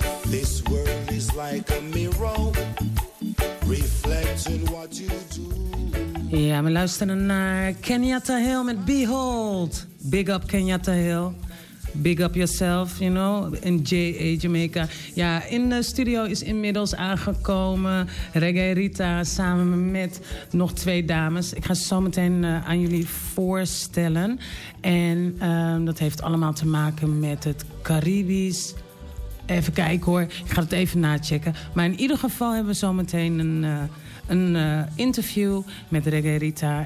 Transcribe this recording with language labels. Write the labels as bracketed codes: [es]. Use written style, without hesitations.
[en] This world is like a mirror, reflecting what you do. [nl] Ja, we luisteren naar Kenyatta Hill met Behold. [en] Big up Kenyatta Hill. Big up yourself, you know, in JA Jamaica. [nl] Ja, in de studio is inmiddels aangekomen Reggae Rita samen met nog twee dames. Ik ga ze zo meteen aan jullie voorstellen. En dat heeft allemaal te maken met het Caribisch. Even kijken hoor, ik ga het even nachecken. Maar in ieder geval hebben we zo meteen een interview met Reggae Rita.